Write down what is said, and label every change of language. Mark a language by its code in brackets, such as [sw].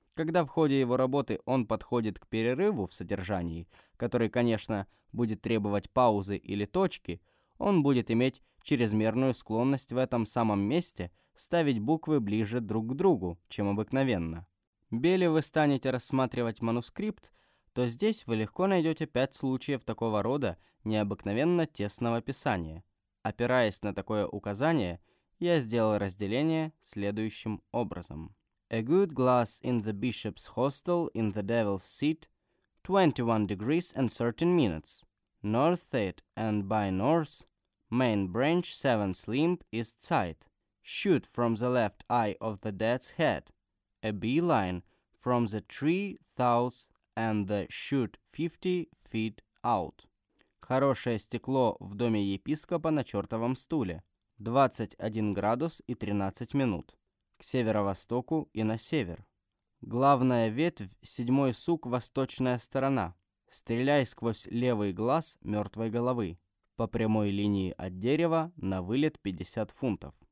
[ru] Когда в ходе его работы он подходит к перерыву в содержании, который, конечно, будет требовать паузы или точки, он будет иметь чрезмерную склонность в этом самом месте ставить буквы ближе друг к другу, чем обыкновенно. Если вы станете рассматривать манускрипт, то здесь вы легко найдете 5 случаев такого рода необыкновенно тесного писания. Опираясь на такое указание, я сделал разделение следующим образом. [en] A good glass in the bishop's hostel in the devil's seat, 21 degrees and certain minutes, north it and by north, main branch 7 limb east side, shoot from the left eye of the dead's head, a bee line from the tree south and the shoot 50 feet out. [ru] Хорошее стекло в доме епископа на чертовом стуле. 21 градус и 13 минут. К северо-востоку и на север. Главная ветвь, седьмой сук, восточная сторона. Стреляй сквозь левый глаз мертвой головы. По прямой линии от дерева на вылет 50 фунтов.